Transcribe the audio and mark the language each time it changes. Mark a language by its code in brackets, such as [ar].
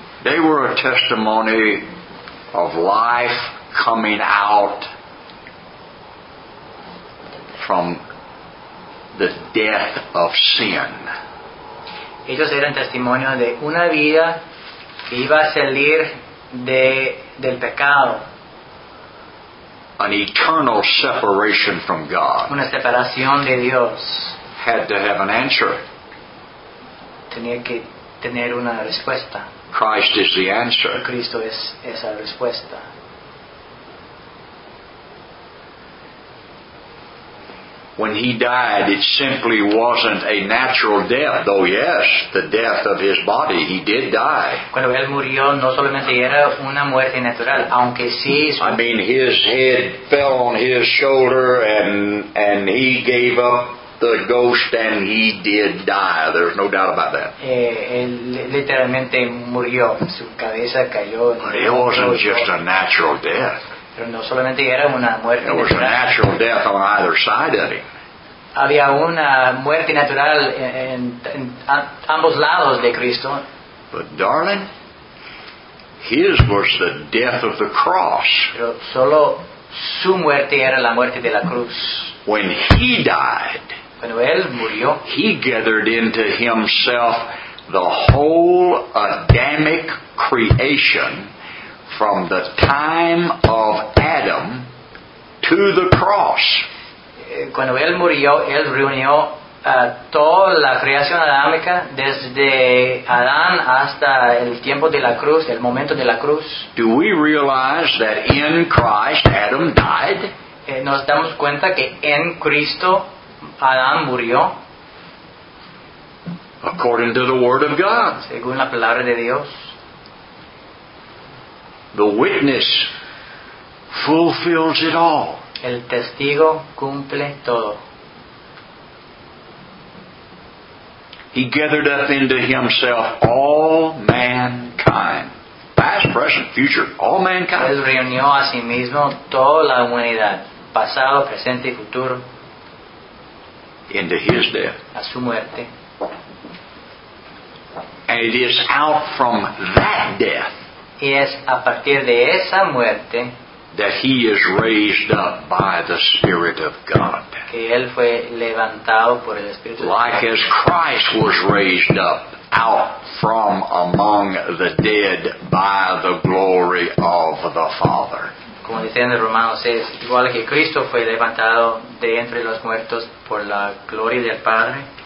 [en] They were a testimony of life coming out from the death of sin. [es] Ellos eran testimonio de una vida que iba a salir del pecado. [en] An eternal separation from God. [es] Una separación de Dios. [en] Had to have an answer. [es] Tenía que tener una respuesta. [en] Christ is the answer. [es] Cristo es esa respuesta. [en] When he died, it simply wasn't a natural death, though yes, the death of his body, he did die. [es] Cuando él murió, no solamente era una muerte natural, aunque sí. [en] I mean, his head fell on his shoulder and he gave up the ghost and he did die. There's no doubt about that. [es] Literalmente murió. Su cabeza cayó. [en] But it wasn't just a natural death. [es] Pero no solamente era una muerte natural. [en] There was a natural death on either side of him. [es] Había una muerte natural en ambos lados de Cristo. [en] But darling, his was the death of the cross. [es] Pero solo su muerte era la muerte de la cruz. [en] When he died, [es] cuando él murió, [en] he gathered into himself the whole Adamic creation. From the time of Adam to the cross. [es] Cuando él murió, él reunió toda la creación adámica desde Adán hasta el tiempo de la cruz, el momento de la cruz. [en] Do we realize that in Christ Adam died? [es] Nos damos cuenta que en Cristo Adán murió. [en] According to the Word of God. [es] Según la palabra de Dios. [en] The witness fulfills it all. [es] El testigo cumple todo. [en] He gathered up into himself all mankind. Past, present, future, all mankind. [es] Él reunió a sí mismo toda la humanidad. Pasado, presente y futuro. [en] Into his death. [es] A su muerte. [en] And it is out from that death. [es] Y es a partir de esa muerte [en] that he is raised up by the Spirit of God. [es] Que él fue levantado por el Espíritu de Dios. [en] Like as Christ was raised up out from among the dead by the glory of the Father. [es] Como dice en Romanos 6, igual que Cristo fue levantado de entre los muertos por la gloria del Padre.